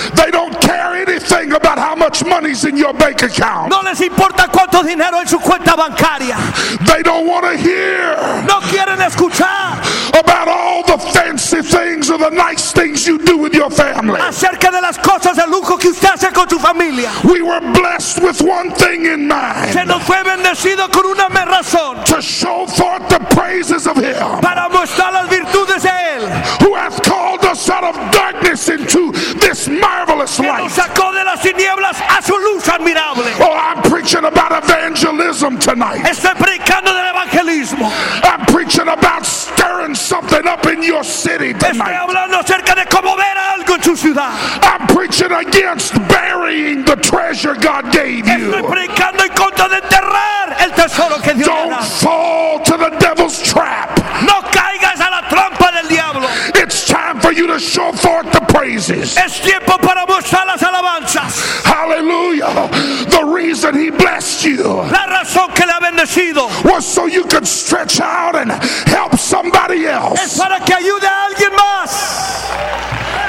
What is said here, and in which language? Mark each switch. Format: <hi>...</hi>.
<en>They don't care anything about how much money's in your bank account.</en> <es>No les importa cuánto dinero en su cuenta bancaria.</es> <en>They don't want to hear.</en> <es>No quieren escuchar.</es> <en>About all the fancy things or the nice things you do with your family.</en> <es>Acerca de las cosas de lujo que usted hace con su familia.</es> <en>We were blessed with one thing in mind.</en> <es>Se nos fue bendecido con una razón.</es> <en>To show forth the praises of Him.</en> <es>Para mostrar las virtudes de Él.</es> <en>Who has called us out of darkness into this marvelous light.</en> <es>Que nos sacó de las tinieblas a su luz admirable.</es> <en>Oh, I'm preaching about evangelism tonight.</en> <es>Estoy predicando del evangelismo.</es> <en>I'm preaching about stirring something up in your city tonight.</en> <es>Estoy hablando acerca de cómo ver algo en tu ciudad.</es> <en>I'm preaching against burying the treasure God gave you.</en> <es>Estoy predicando en contra de enterrar el tesoro que Dios</es> <en>Don't era. Fall to the devil's trap.</en> <es>No caigas a la trampa del diablo.</es> <en>It's time for you to show forth the praises.</en> <es>Es tiempo para mostrar las alabanzas.</es> <en>Hallelujah. The reason he blessed you.</en> <es>La razón que le ha bendecido.</es> <en>Was so you could stretch out and help somebody else.</en> <es>Es para que ayude a alguien más.</es>